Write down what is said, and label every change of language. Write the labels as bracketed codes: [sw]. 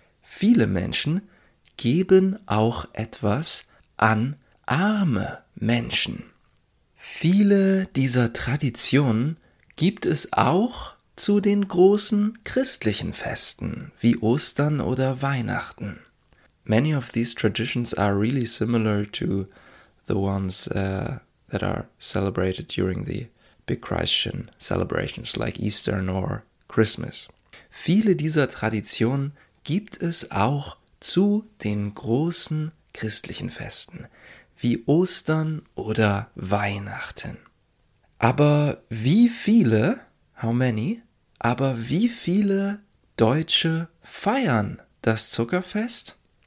[de] Viele Menschen geben auch etwas an arme Menschen. Viele dieser Traditionen gibt es auch zu den großen christlichen Festen wie Ostern oder Weihnachten. [en] Many of these traditions are really similar to the ones that are celebrated during the big Christian celebrations like Easter or Christmas. [de] Viele dieser Traditionen gibt es auch zu den großen christlichen Festen wie Ostern oder Weihnachten. Aber wie viele, [en] how many, [de] aber wie viele Deutsche feiern das Zuckerfest?